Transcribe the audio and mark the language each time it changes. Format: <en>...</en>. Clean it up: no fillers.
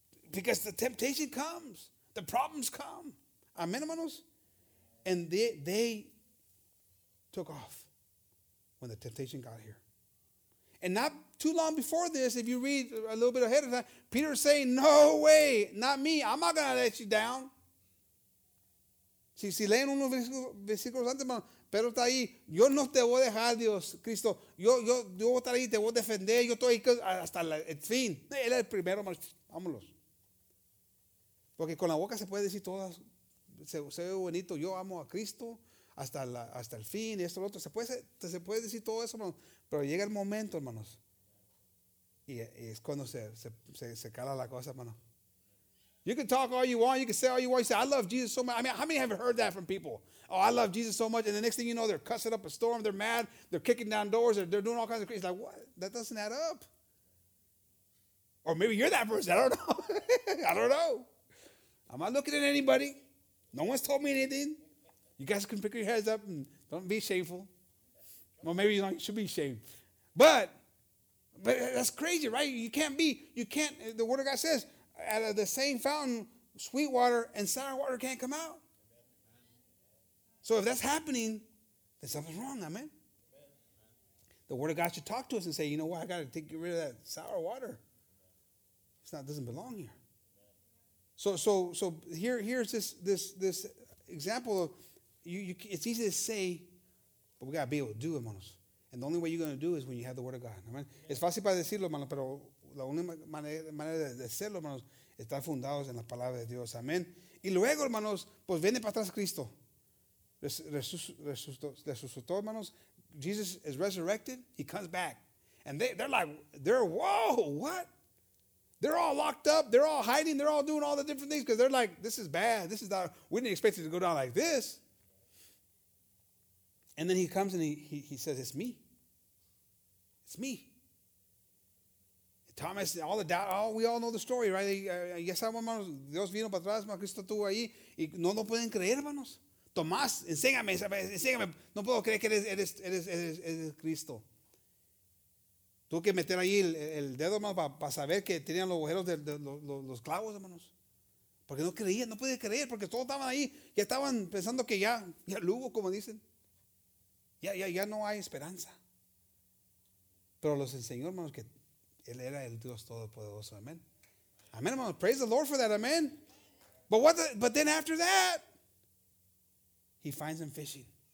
<en>Because the temptation comes, the problems come. Amen, hermanos. And they took off when the temptation got here. And not too long before this, if you read a little bit ahead of time, Peter's saying, no way, not me. I'm not going to let you down.</en> <es>Si leen unos versículos antes, hermano, Pedro está ahí. Yo no te voy a dejar, Dios, Cristo. Yo voy a estar ahí, te voy a defender. Yo estoy ahí hasta el fin. Él es el primero, hermano. Vámonos. Porque con la boca se puede decir todas. Se ve bonito. Yo amo a Cristo hasta el fin. Esto, lo otro. Se puede decir todo eso, hermano. Pero llega el momento, hermanos. Y es cuando se cala la cosa, hermano.</es> <en>You can talk all you want. You can say all you want. You say, I love Jesus so much. I mean, how many have heard that from people? Oh, I love Jesus so much. And the next thing you know, they're cussing up a storm. They're mad. They're kicking down doors. They're doing all kinds of crazy. Like, what? That doesn't add up. Or maybe you're that person. I don't know. I don't know. I'm not looking at anybody. No one's told me anything. You guys can pick your heads up and don't be shameful. Well, maybe you should be ashamed. But that's crazy, right? You can't, the word of God says, out of the same fountain, sweet water and sour water can't come out. So if that's happening, then something's wrong, amen? The word of God should talk to us and say, you know what, I got to get rid of that sour water. It doesn't belong here. So here's this example of, it's easy to say, but we got to be able to do, hermanos. And the only way you're going to do is when you have the word of God. Amen.</en> <es>Es fácil para decirlo, hermanos, pero la única manera de hacerlo, hermanos, está fundados en la palabra de Dios. Amén. Y luego, hermanos, pues viene para atrás Cristo. Resucitó, hermanos. Jesus is resurrected. He comes back. And they're like, whoa, what? They're all locked up. They're all hiding. They're all doing all the different things because they're like, this is bad. This is not, we didn't expect it to go down like this. And then he comes and he says, it's me. It's me. Thomas, all the doubt, oh, we all know the story, right? Ya sabemos, hermanos, Dios vino para atrás, hermano, Cristo estuvo ahí, y no lo pueden creer, hermanos. Tomás, enséñame, no puedo creer que eres Cristo. Tuve que meter ahí el dedo, hermano, para saber que tenían los agujeros de los clavos, hermanos. Porque no creían, no podía creer, porque todos estaban ahí, ya estaban pensando que ya lo hubo, como dicen. Ya no hay esperanza. Pero los enseñó, hermanos, que Él era el Dios Todopoderoso.</es> <en>Amen. Amen, hermanos. Praise the Lord for that. Amen. But then after that, he finds him fishing.</en>